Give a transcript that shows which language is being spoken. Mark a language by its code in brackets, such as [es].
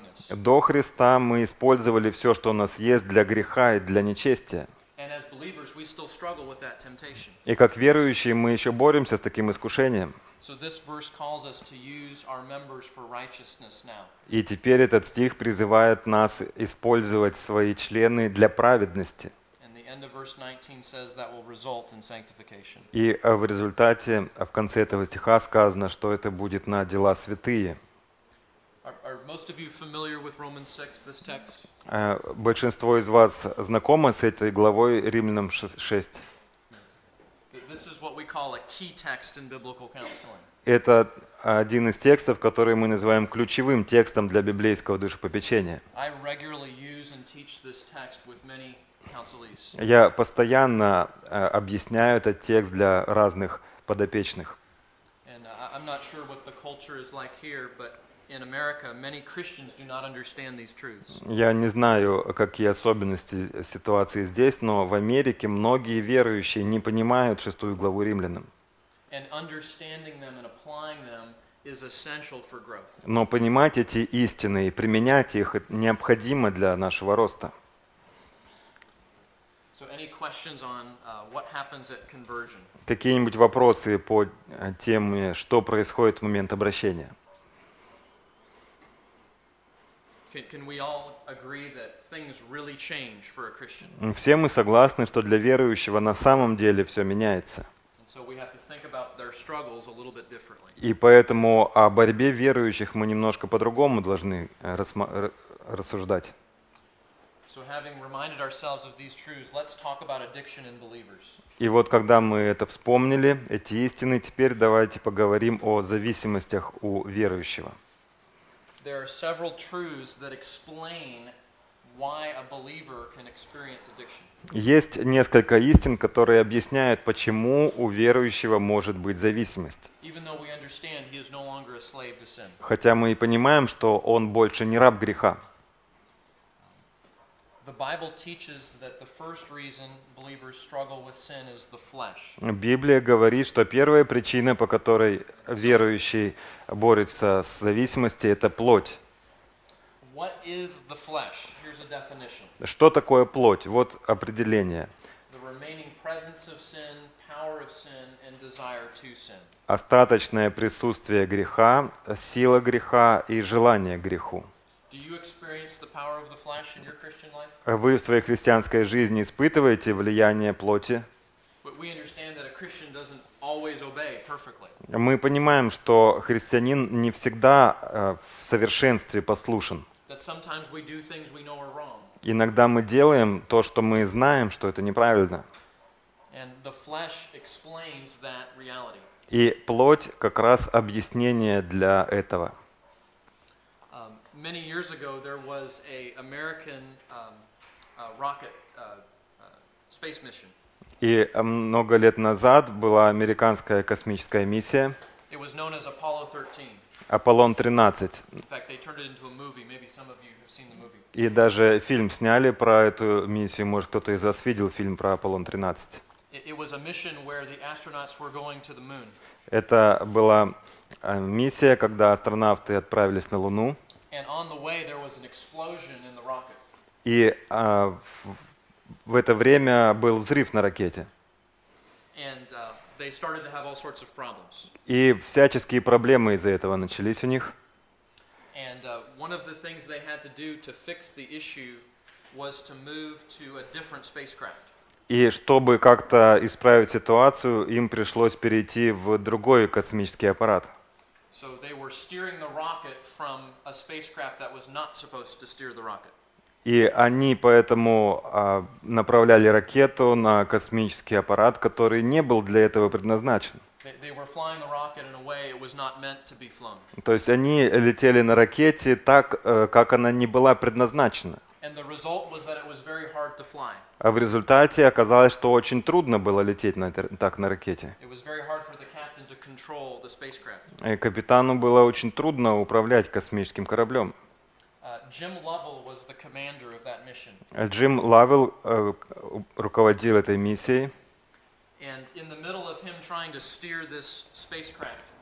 [ru] До Христа мы использовали все, что у нас есть для греха и для нечестия. [en] And as believers, we still struggle with that temptation. [ru] И как верующие мы еще боремся с таким искушением. [en] So this verse calls us to use our members for righteousness now. [ru] И теперь этот стих призывает нас использовать свои члены для праведности. [en] And the end of verse 19 says that will result in sanctification. [ru] И в результате, в конце этого стиха сказано, что это будет на дела святые. [en] Are most of you familiar with Romans 6, this text? [ru] Большинство из вас знакомы с этой главой Римлянам 6. [en] This is what we call a key text in biblical counseling. [ru] Это один из текстов, который мы называем ключевым текстом для библейского душепопечения. [en] I regularly use and teach this text with many counselees. [ru] Я постоянно объясняю этот текст для разных подопечных. [en] And I'm not sure what the culture is like here, but in America, many Christians do not understand these truths. [ru] Я не знаю, какие особенности ситуации здесь, но в Америке многие верующие не понимают шестую главу Римлянам. [en] And understanding them and applying them is essential for growth. [ru] Но понимать эти истины и применять их необходимо для нашего роста. [en] So any questions on what happens at conversion? [ru] Какие-нибудь вопросы по теме, что происходит в момент обращения? [en] Can we all agree that things really change for a Christian? [ru] Все мы согласны, что для верующего на самом деле все меняется. [en] And so we have to think about their struggles a little bit differently. [ru] И поэтому о борьбе верующих мы немножко по-другому должны рассуждать. [en] So having reminded ourselves of these truths, let's talk about addiction in believers. [ru] И вот когда мы это вспомнили, эти истины, теперь давайте поговорим о зависимостях у верующего. [en] There are several truths that explain why a believer can experience addiction. [ru] Есть несколько истин, которые объясняют, почему у верующего может быть зависимость. [en] Even though we understand he is no longer a slave to sin. [ru] Хотя мы и понимаем, что он больше не раб греха. [en] The Bible teaches that the first reason believers struggle with sin is the flesh. [ru] Библия говорит, что первая причина, по которой верующий борется с зависимостью, это плоть. [en] What is the flesh? Here's a definition. [ru] Что такое плоть? Вот определение. [en] The remaining presence of sin, power of sin, and desire to sin. [ru] Остаточное присутствие греха, сила греха и желание к греху. [en] Do you experience the power of the flesh in your Christian life? [ru] Вы в своей христианской жизни испытываете влияние плоти? [en] But we understand that a Christian doesn't always obey perfectly. [ru] Мы понимаем, что христианин не всегда в совершенстве послушен. [en] That sometimes we do things we know are wrong. [ru] Иногда мы делаем то, что мы знаем, что это неправильно. [en] And the flesh explains that reality. [ru] И плоть как раз объяснение для этого. [en] Many years ago there was a American rocket space mission. [ru] И много лет назад была американская космическая миссия. [en] It was known as Apollo 13. [ru] Аполлон 13. [en] In fact, they turned it into a movie. Maybe some of you have seen the movie. [ru] И даже фильм сняли про эту миссию. Может, кто-то из вас видел фильм про Аполлон 13? [en] It was a mission where the astronauts were going to the moon. [ru] Это была миссия, когда астронавты отправились на Луну. [en] And on the way there was an explosion in the rocket. [ru] И в это время был взрыв на ракете. [en] And they started to have all sorts of problems. [ru] И всяческие проблемы из-за этого начались у них. [en] And one of the things they had to do to fix the issue was to move to a different spacecraft. [ru] И чтобы как-то исправить ситуацию, им пришлось перейти в другой космический аппарат. [en] So they were steering the rocket from a spacecraft that was not supposed to steer the rocket. [ru] И они поэтому направляли ракету на космический аппарат, который не был для этого предназначен. [en] They were flying the rocket in a way it was not meant to be flown. [ru] То есть они летели на ракете так, как она не была предназначена. [en] And the result was that it was very hard to fly. [ru] А в результате оказалось, что очень трудно было лететь так на ракете. [en] It was very hard for the captain to control the spacecraft. [ru] И капитану было очень трудно управлять космическим кораблем. [en] Jim Lovell was the commander of that mission. [ru] Джим Лавелл руководил этой миссией. [en] And in the middle of him trying to steer this spacecraft.